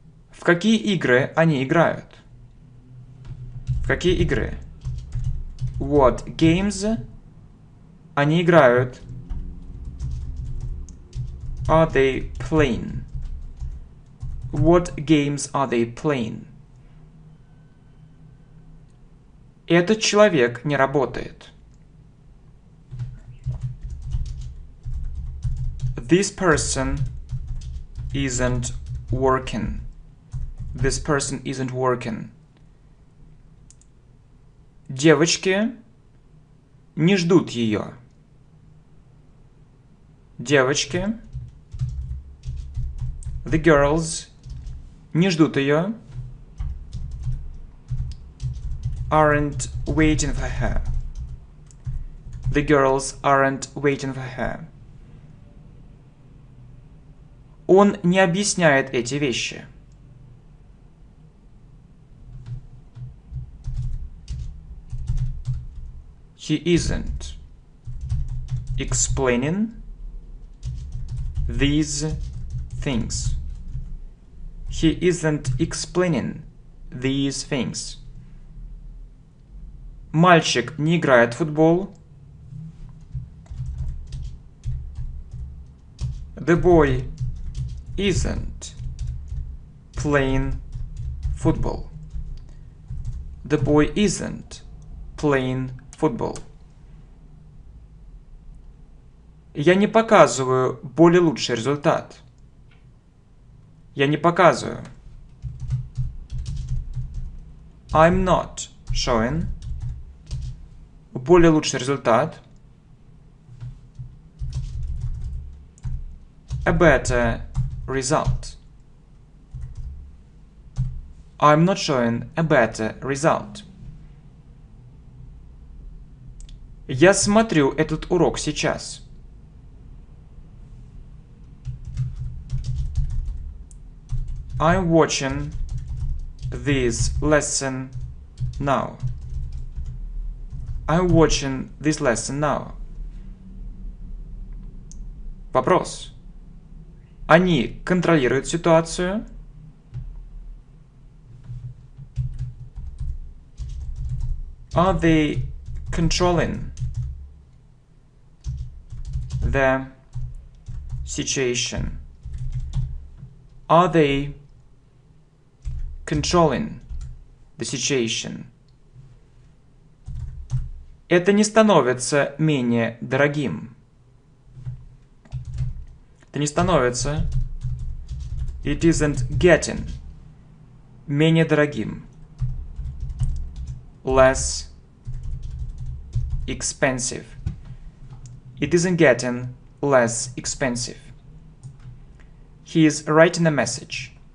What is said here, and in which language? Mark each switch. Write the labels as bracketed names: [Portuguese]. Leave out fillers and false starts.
[Russian] В какие игры они играют? В какие игры? [English] What games [Russian] они играют? [English] Are they playing? What games are they playing? [Russian] Этот человек не работает. [English] This person isn't working. This person isn't working. [Russian] Девочки не ждут ее. Девочки. [English] The girls [Russian] не ждут ее. [English] Aren't waiting for her. The girls aren't waiting for her. [Russian] Он не объясняет эти вещи. [English] He isn't explaining these things. He isn't explaining these things. [Russian] Мальчик не играет в футбол. [English] The boy isn't playing football. The boy isn't playing football. [Russian] Я не показываю более лучший результат. Я не показываю. [English] I'm not showing [Russian] более лучший результат. [English] A better result. I'm not showing a better result. [Russian] Я смотрю этот урок сейчас. [English] I'm watching this lesson now. I'm watching this lesson now. [Russian] Вопрос. Они контролируют ситуацию? [English] Are they controlling the situation? Are they controlling the situation? [Russian] Это не становится менее дорогим. Это не становится. [English] It isn't getting [Russian] менее дорогим. [English] Less expensive. It isn't getting less expensive. He is writing a message.